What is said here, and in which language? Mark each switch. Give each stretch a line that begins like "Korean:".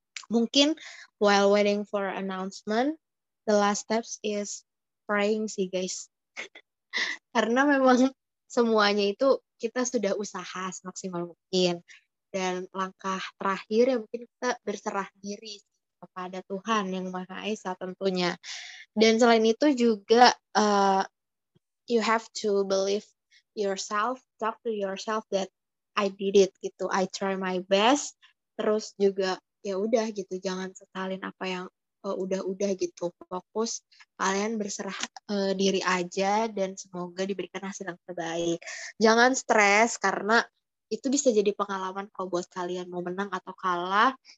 Indonesian: Mungkin
English: while waiting for announcement, the last steps is praying sih guys.
Indonesian: Karena memang semuanya itu kita sudah usaha semaksimal mungkin. Dan langkah terakhir ya mungkin kita berserah diri kepada Tuhan yang Maha Esa tentunya. Dan selain itu juga
English: you have to believe yourself, talk to yourself that I did it gitu. I try my best.
Indonesian: Terus juga ya udah gitu, jangan setalin apa yang udah-udah gitu. Fokus kalian berserah diri aja dan semoga diberikan hasil yang terbaik. Jangan stres karena itu bisa jadi pengalaman kalau buat kalian mau menang atau kalah.